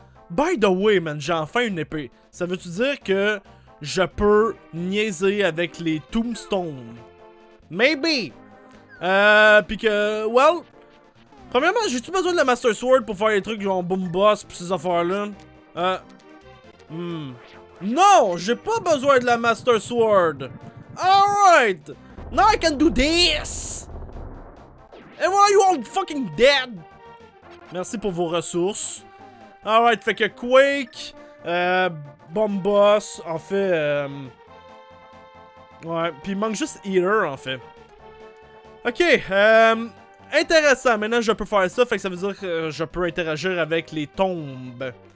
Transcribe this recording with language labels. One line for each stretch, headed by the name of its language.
English: By the way, man,
French: j'ai enfin une épée. Ça veut-tu dire que je peux niaiser avec les tombstones?
English: Maybe!
French: Pis que, well... Premièrement, j'ai-tu besoin de la Master Sword pour faire les trucs genre boom boss pis ces affaires-là? Non, j'ai pas besoin de la Master Sword!
English: Alright! Now I can do this! And why are you all fucking dead?
French: Merci pour vos ressources. Alright, fait que Quake, Bomb Boss, en fait, ouais, pis il manque juste Eater, en fait. Ok, intéressant, maintenant je peux faire ça, fait que ça veut dire que je peux interagir avec les tombes.